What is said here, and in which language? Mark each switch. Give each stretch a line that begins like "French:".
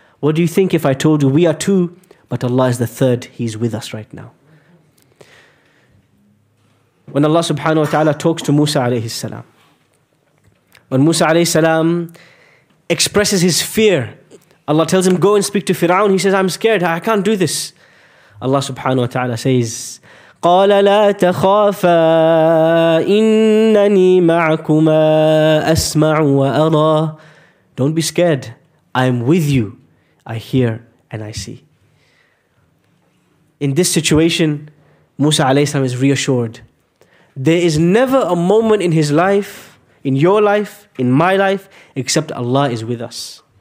English: What do you think if I told you we are two, but Allah is the third, He's with us right now. When Allah subhanahu wa ta'ala talks to Musa alayhi salam, when Musa alayhi salam expresses his fear, Allah tells him, go and speak to Fir'aun. He says, I'm scared, I can't do this. Allah subhanahu wa ta'ala says,
Arabic: قَالَ لَا تَخَافَا إِنَّنِي مَعَكُمَا أَسْمَعُ وَأَرَى.
English: Don't be scared, I'm with you. I hear and I see. In this situation, Musa alayhi salam is reassured. There is never a moment in his life, in your life, in my life, except Allah is with us.